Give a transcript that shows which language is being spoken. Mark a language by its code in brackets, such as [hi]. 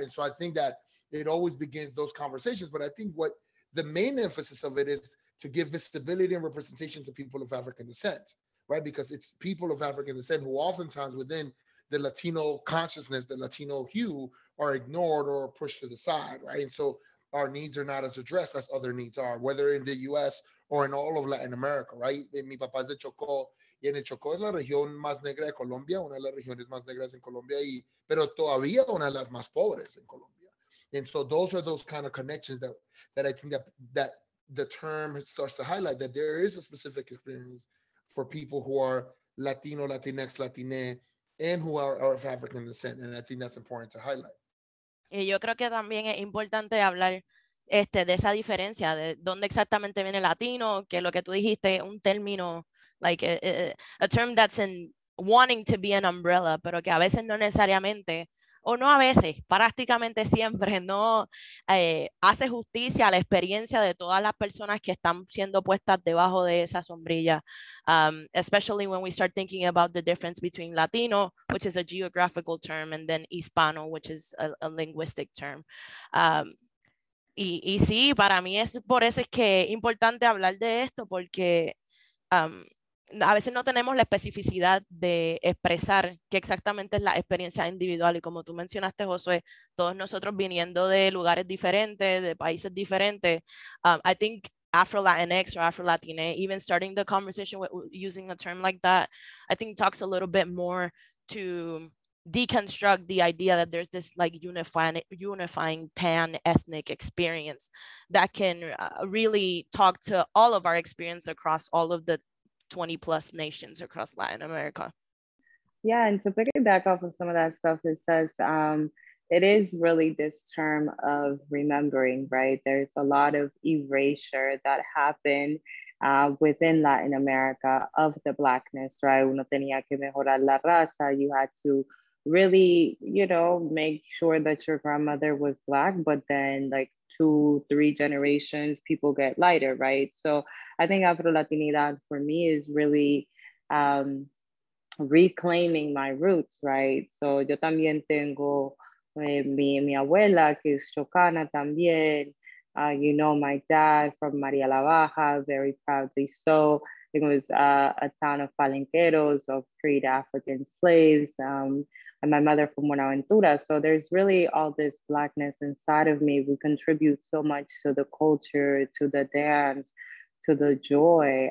[en] And so I think that it always begins those conversations. But I think what the main emphasis of it is to give visibility and representation to people of African descent, right? Because it's people of African descent who oftentimes within the Latino consciousness, the Latino hue, are ignored or pushed to the side, right? And so our needs are not as addressed as other needs are, whether in the U.S., or in all of Latin America, right? [es] Mi papá es de Chocó, y en el Chocó es la región más negra de Colombia, una de las regiones más negras en Colombia, y pero todavía una de las más pobres en Colombia. [en] And so those are those kind of connections that I think that the term starts to highlight, that there is a specific experience for people who are Latino, Latinx, Latine, and who are of African descent. And I think that's important to highlight. [es] Y yo creo que también es importante hablar de esa diferencia de dónde exactamente viene latino, que lo que tú dijiste, un término, [en] like a term that's in wanting to be an umbrella, [es] pero que a veces no necesariamente, o no a veces, prácticamente siempre no hace justicia a la experiencia de todas las personas que están siendo puestas debajo de esa sombrilla. [en] Especially when we start thinking about the difference between Latino, which is a geographical term, and then Hispano, which is a linguistic term. [es] Y sí, para mí es por eso es que es importante hablar de esto, porque a veces no tenemos la especificidad de expresar qué exactamente es la experiencia individual. Y como tú mencionaste, Josué, todos nosotros viniendo de lugares diferentes, de países diferentes, [en] I think Afro-Latinx or Afro-Latine, even starting the conversation with using a term like that, I think talks a little bit more to deconstruct the idea that there's this like unifying pan-ethnic experience that can really talk to all of our experience across all of the 20 plus nations across Latin America. Yeah, and to piggyback off of some of that stuff, it says it is really this term of remembering, right? There's a lot of erasure that happened within Latin America of the Blackness, right? [es] Uno tenía que mejorar la raza, [en] you had to really, you know, make sure that your grandmother was Black, but then like 2-3 generations, people get lighter, right? So I think Afro-Latinidad for me is really reclaiming my roots, right? [es] So yo también tengo mi abuela, que es Chocana también, [en] You know my dad from Maria La Baja, very proudly so. It was a town of palenqueros, of freed African slaves, and my mother from Buenaventura. So there's really all this Blackness inside of me. We contribute so much to the culture, to the dance, to the joy.